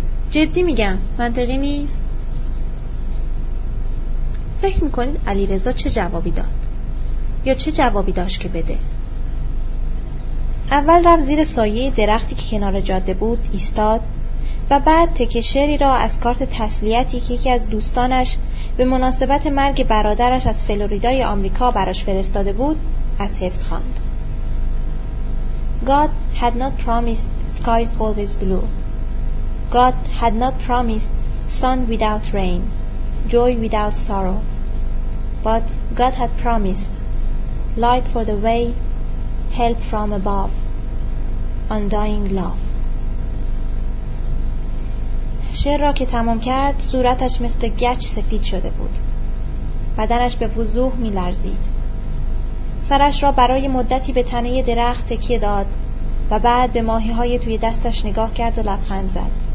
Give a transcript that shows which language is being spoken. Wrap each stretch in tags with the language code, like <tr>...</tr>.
<fa>جدی میگم، منطقی نیست؟ فکر میکنید علیرضا چه جوابی داد؟ یا چه جوابی داشت که بده؟ اول رفت زیر سایه درختی که کنار جاده بود ایستاد و بعد تکه شعری را از کارت تسلیتی که یکی از دوستانش به مناسبت مرگ برادرش از فلوریدای آمریکا براش فرستاده بود از حفظ خواند.</fa> <en>God had not promised skies always blue. God had not promised sun without rain, joy without sorrow. But God had promised light for the way, help from above, undying love.</en> <fa>شعر را که تمام کرد صورتش مثل گچ سفید شده بود. بدنش به وضوح می لرزید. سرش را برای مدتی به تنه درخت تکیه داد و بعد به ماهی‌های توی دستش نگاه کرد و لبخند زد.</fa>